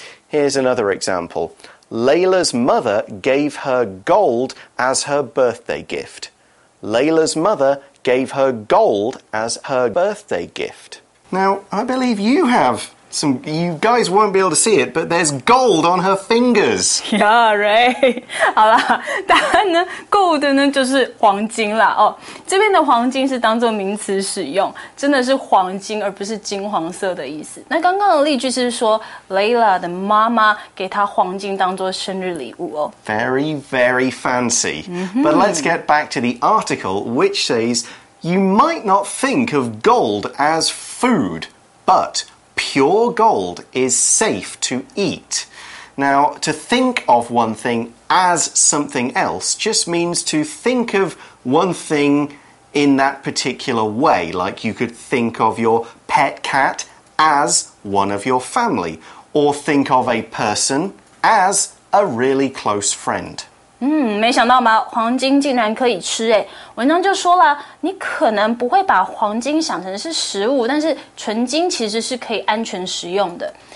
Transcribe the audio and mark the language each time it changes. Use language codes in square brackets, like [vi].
[en] Here's another example. Layla's mother gave her gold as her birthday gift. Layla's mother gave her gold as her birthday gift. Now, I believe you have... Some, you guys won't be able to see it, but there's gold on her fingers. Yeah, right. [zh] 好啦，答案呢 ,gold 呢就是黄金啦。哦，这边的黄金是当作名词使用，真的是黄金而不是金黄色的意思。那刚刚的例句是说 ,Layla 的妈妈给她黄金当作生日礼物哦。 [en] Very, very fancy.、Mm-hmm. But let's get back to the article, which says, you might not think of gold as food, but... Pure gold is safe to eat. Now, to think of one thing as something else just means to think of one thing in that particular way, like you could think of your pet cat as one of your family, or think of a person as a really close friend. [zh] 没想到吗？黄金竟然可以吃耶。文章就说了，你可能不会把黄金想成是食物，但是纯金其实是可以安全食用的。